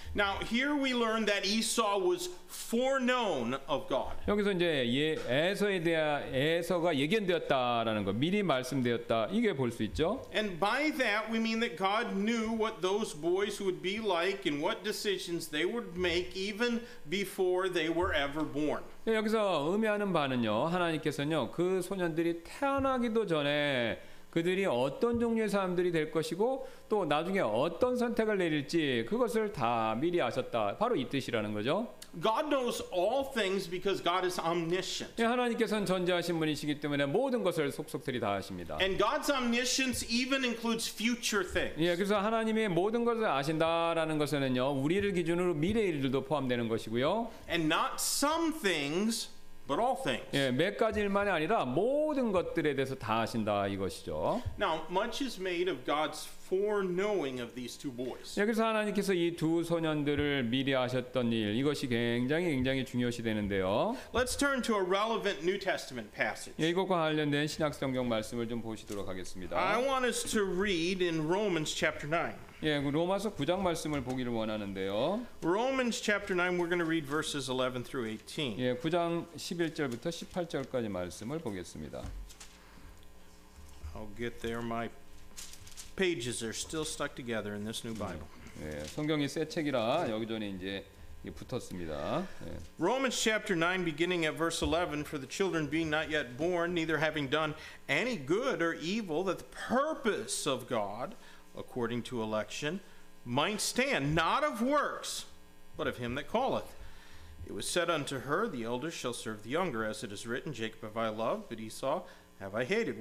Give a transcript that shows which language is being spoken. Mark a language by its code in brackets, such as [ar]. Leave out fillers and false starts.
[en] Now here we learn that Esau was foreknown of God. [ko] 여기서 이제 에서가 예견되었다라는 거 미리 말씀되었다 이게 볼 수 있죠. [en] And by that we mean that God knew what those boys would be like and what decisions they would make even before they were ever born. [ko] 여기서 의미하는 바는요 하나님께서는요 그 소년들이 태어나기도 전에 그들이 어떤 종류의 사람들이 될 것이고 또 나중에 어떤 선택을 내릴지 그것을 다 미리 아셨다. 바로 이 뜻이라는 거죠. [en] God knows all things because God is omniscient. [ko] 예, 하나님께서는 전지하신 분이시기 때문에 모든 것을 속속들이 다 아십니다. [en] And God's omniscience even includes future things. [ko] 예, 그래서 하나님의 모든 것을 아신다라는 것은요, 우리를 기준으로 미래 일들도 포함되는 것이고요. [en] And not some things, but all things. [ko] 예, 몇 가지 일만이 아니라 모든 것들에 대해서 다 아신다 이것이죠. [en] Now much is made of God's foreknowing of these two boys. [ko] 여기서 하나님께서 이 두 소년들을 미리 아셨던 일 이것이 굉장히 굉장히 중요시 되는데요. [en] Let's turn to a relevant New Testament passage. [ko] 예, 이것과 관련된 신약성경 말씀을 좀 보시도록 하겠습니다. [en] I want us to read in Romans chapter 9. [ko] 예, 로마서 9장 말씀을 보기를 원하는데요. [en] Romans chapter 9 we're going to read verses 11 through 18. [ko] 예, 9장 11절부터 18절까지 말씀을 보겠습니다. [en] I'll get there my pages are still stuck together in this new Bible. [ko] 예, 성경이 새 책이라 여기저기 이제 붙었습니다. 예. [en] Romans chapter 9 beginning at verse 11 for the children being not yet born neither having done any good or evil that the purpose of God according to election, might stand, not of works, but of him that calleth. It was said unto her, the elder shall serve the younger, as it is written, Jacob have I loved, but Esau have I hated.